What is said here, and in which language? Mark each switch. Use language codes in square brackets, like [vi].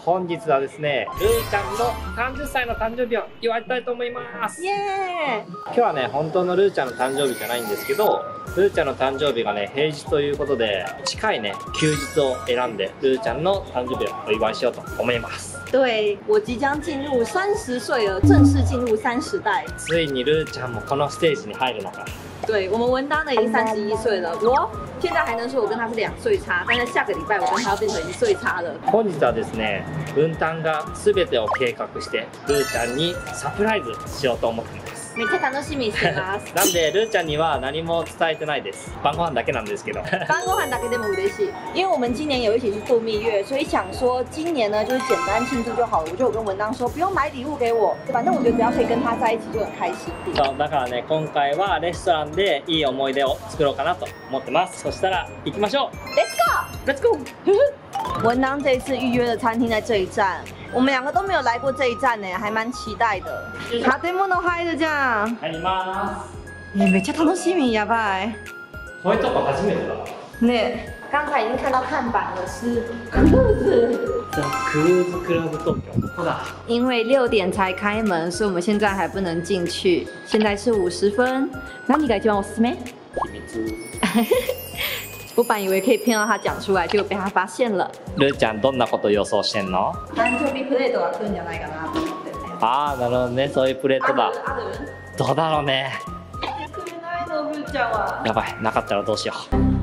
[ja] 本日はですね、るーちゃんの30歳の誕生日を祝いたいと思います。イエーイ。今日はね、本当のるーちゃんの誕生日じゃないんですけど、るーちゃんの誕生日がね、平日ということで、近いね、休日を選んでるーちゃんの誕生日をお祝いしようと思います。 [zh] 对，我即将进入30岁了，正式进入30代。 [ja] ついにるーちゃんもこのステージに入るのか。 [zh] 对，我们文丹已经31岁了，我现在还能说我跟他是两岁差，但是下个礼拜我跟他要变成一岁差了。 [ja] 本日はですね、文丹がすべてを計画してるーちゃんにサプライズしようと思っています。めっちゃ楽しみにしてますなんでるーちゃんには何も伝えてないです。晩ご飯だけなんですけど晩ご飯だけでも嬉しい。 [zh] 因为我们今年有一起去度蜜月，所以想说今年呢就是简单庆祝就好了。我就有跟文章说不用买礼物给我，反正我觉得只要可以跟他在一起就很开心。 [ja] そう、だからね、今回はレストランでいい思い出を作ろうかなと思ってます。そしたら行きましょう。 [en] Let's go [zh] 文章这一次预约的餐厅在这一站，我们两个都没有来过这一站呢，还蛮期待的。 [ja] 建物入るじゃん。入ります。めっちゃ楽しみ、やばい。こういうとこ初めてだ。 [zh] ね、刚才已经看到看板了，是 Cruise。 [en] The Cruise Club Tokyo。 [zh] 好的。因为六点才开门，所以我们现在还不能进去。现在是50分。 [ja] 何が一番おすすめ？秘密。 [zh] 我本以为可以骗到他讲出来，结果被他发现了。 [ja] るーちゃんどんなこと予想してんの？誕生日プレートが来るんじゃないかなと思ってね。ああ、なるほどね、そういうプレートだ。ある？どうだろうね。くれないの、るーちゃんは。やばい、なかったらどうしよう。